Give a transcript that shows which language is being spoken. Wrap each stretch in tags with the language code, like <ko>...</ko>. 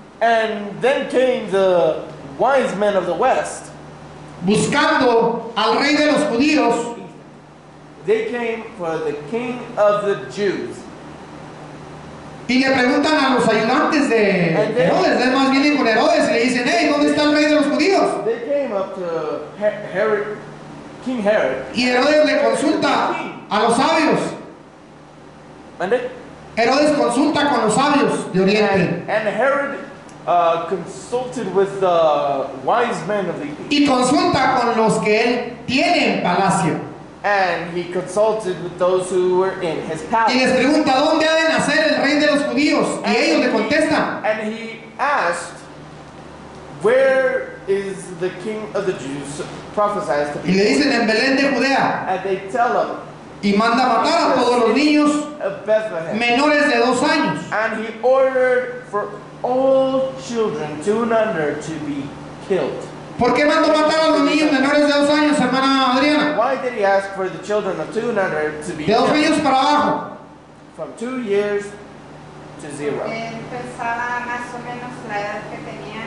<en>and then came the wise men of the West,</en> <es>buscando al rey de los judíos,</es> <en>they came for the king of the Jews.</en> <es>Y le preguntan a los ayudantes de Herodes, es más bien con Herodes, y le dicen, hey, ¿dónde está el rey de los judíos?</es> <en>They came up to Herod, King Herod.</en> <es>Y Herodes le consulta a los sabios. ¿Mande? Herodes consulta con los sabios de Oriente.</es> <en>And Herod consulted with the wise men of the East.</en> <es>Y consulta con los que él tiene en palacio.</es> <en>And he consulted with those who were in his palace.</en> <es>Y les pregunta, ¿dónde ha de nacer el rey de los judíos? Y ellos le contestan.</es> <en>And he asked, where is the king of the Jews prophesied to be?</en> <es>Y le dicen, en Belén de Judea.</es> <en>And they tell him.</en> <es>Y manda matar a todos los niños menores de 2 años.</es> <en>And he ordered for all children 2 and under to be killed.</en> <es>¿Por qué mandó matar a los niños menores de 2 años, hermana Adriana?</es> <en>Why did he ask for the children of 2 and under to be killed?</en> <es>De 2 años para abajo.</es> <en>From 2 years to 0.</en> <es>Él pensaba más o menos la edad que tenía.</es>